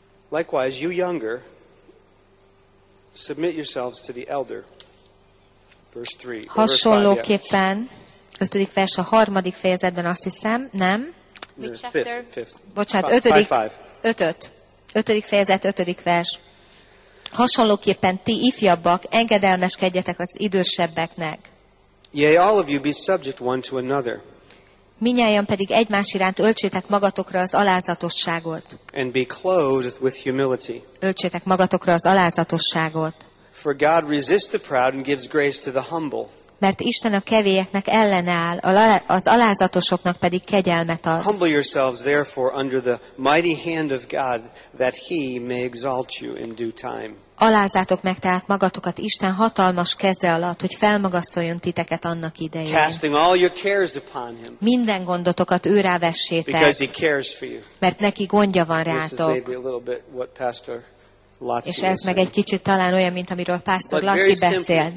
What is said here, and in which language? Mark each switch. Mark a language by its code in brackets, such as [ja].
[en] Likewise, you younger, submit yourselves to the elder. Verse 3. [hu] Hasonlóképpen. Ötödik vers a harmadik fejezetben azt hiszem, nem? [en] Fifth. [hu] Ötödik. Ötödik fejezet, ötödik vers. Hasonlóképpen ti ifjabbak, engedelmeskedjetek az idősebbeknek. [en] Yea, all of you be subject one to another. [hu] Minnyájan pedig egymás iránt öltsétek magatokra az alázatosságot. [en] And be clothed with humility. [hu] Öltsétek magatokra az alázatosságot. [en] For God resists the proud and gives grace to the humble. [hu] Mert Isten a kevélyeknek ellenáll, az alázatosoknak pedig kegyelmet ad. [en] Humble yourselves therefore under the mighty hand of God, that he may exalt you in due time. [hu] Alázzátok meg tehát magatokat Isten hatalmas keze alatt, hogy felmagasztaljon titeket annak idején. [en] Casting all your cares upon him. [hu] Minden gondotokat ő rá vessétek. [en] Because he cares for you. [hu] Mert neki gondja van rátok. [en] This is maybe a little bit what Pastor Laci [hu] és ez meg egy kicsit talán olyan, mint amiről Pásztor Laci beszél.